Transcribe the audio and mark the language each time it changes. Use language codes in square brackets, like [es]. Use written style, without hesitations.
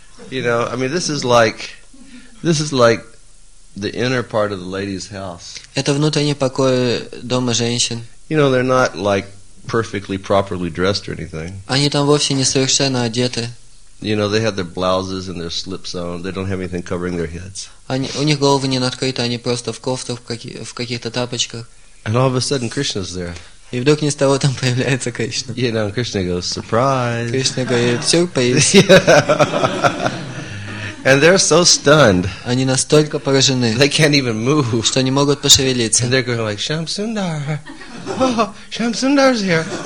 [en] You know, I mean, this is like the inner part of the lady's house. [ru] Это внутренние покои дома женщин. [en] You know, they're not like perfectly properly dressed or anything. [ru] Они там вовсе не совершенно одеты. [en] You know, they have their blouses and their slips on. They don't have anything covering their heads. [ru] Они у них головы не открыты, они просто в кофтах, в каких-то тапочках. [en] And all of a sudden, Krishna's there. [ru] И вдруг ни с того там появляется Кришна. [en] You know, Krishna goes, surprise. [ru] Кришна говорит, сюрприз. [en] And they're so stunned. [ru] Они настолько поражены. [en] They can't even move. [ru] Что не могут пошевелиться. [en] And they're going like, Shamsundar. Oh, Shamsundar's here.